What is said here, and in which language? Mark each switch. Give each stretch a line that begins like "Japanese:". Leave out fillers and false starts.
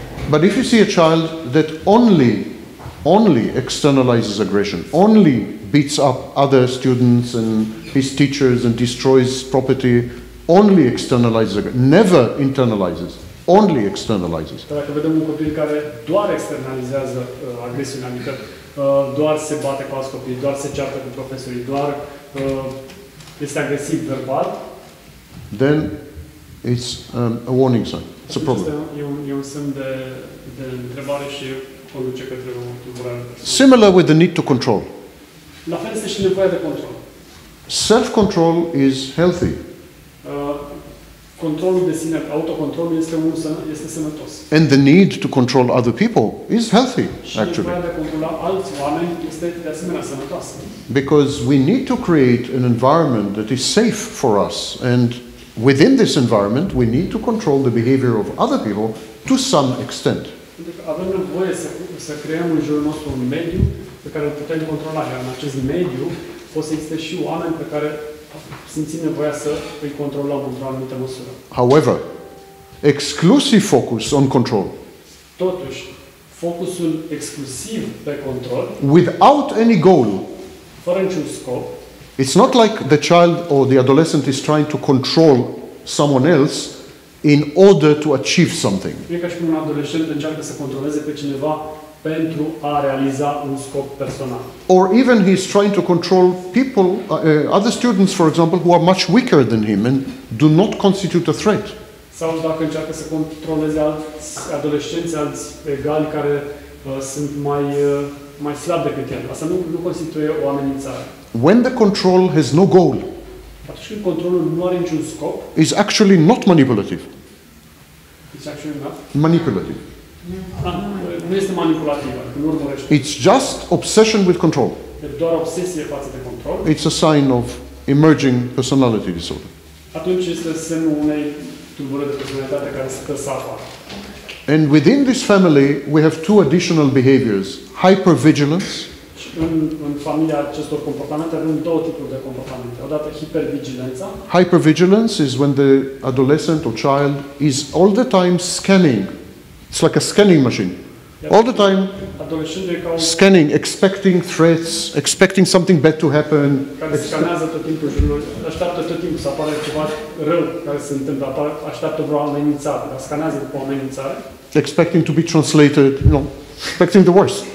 English: But if you see a child that only externalizes aggression, only beats up other students and his teachers and destroys property, only externalizes, never internalizes, only externalizes.
Romanian: Dacă vedem un copil care doar externalizează agresiunea, adică doar se bate cu alți copii, doar se ceartă cu profesorii, doar este agresiv verbal,
English: then it's a warning sign. It's a problem.
Romanian: E un semn de întrebare și conduce către o tulburare.
English: Similar with the need to control.
Romanian: La fel este și nevoia de control.
English: Self-control is healthy.
Romanian: Controlul de sine, autocontrolul este sănătos.
English: And the need to control other people is healthy, actually.
Romanian: Și nevoia de controla alți oameni este de asemenea sănătoasă.
English: Because we need to create an environment that is safe for us, and within this environment, we need to control the behavior of other people to some extent.
Romanian: Avem nevoie să creăm în jurul nostru un mediu pe care îl putem controla. Iar în acest mediu pot să existe și oameni pe care simțim nevoia să îi controlăm într-o anumită măsură.
English: However, exclusive focus on control.
Romanian: Totuși, focusul exclusiv pe control.
English: Without any goal.
Romanian: Fără niciun scop.
English: It's not like the child or the adolescent is trying to control someone else in order to achieve something.
Romanian: E ca și cum un adolescent încearcă să controleze pe cineva pentru a realiza un scop personal.
English: Or even he's trying to control people, other students, for example, who are much weaker than him and do not constitute a threat.
Romanian: Sau dacă încearcă să controleze alți adolescenți, alți egali care sunt mai slabi decât el. Asta nu constituie o amenințare.
English: When the control has no goal,
Romanian: atunci când controlul nu are niciun scop,
English: is actually not manipulative. It's actually not manipulative.
Romanian: Nu este manipulativ, adică nu urmărește.
English: It's just obsession with control.
Romanian: E doar obsesie față de control.
English: It's a sign of emerging personality disorder.
Romanian: Atunci este semnul unei tulburări de personalitate care stă să apară.
English: And within this family, we have two additional behaviors: hypervigilance.
Romanian: În familia acestor comportamente avem două tipuri de comportamente. Odată hipervigilența.
English: Hypervigilance is when the adolescent or child is all the time scanning. It's like a scanning machine. All the time scanning, expecting threats, expecting something bad to happen.
Romanian: Care scanează tot timpul jurul, așteaptă tot timpul să apară ceva rău care se întâmplă, așteaptă vreo amenințare, dar scanează după amenințare.
English: Expecting to be translated, expecting the worst.